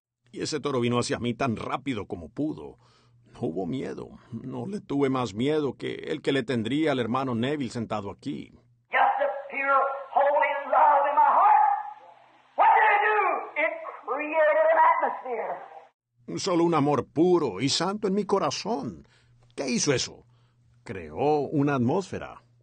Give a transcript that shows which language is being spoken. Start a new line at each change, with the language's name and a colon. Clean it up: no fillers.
Spanish: Y ese toro vino hacia mí tan rápido como pudo. No hubo miedo. No le tuve más miedo que el que le tendría al hermano Neville sentado aquí.
English: Just a pure, holy love in my heart. What did it do? It created an atmosphere.
Spanish: Solo un amor puro y santo en mi corazón. ¿Qué hizo eso? Creó una atmósfera.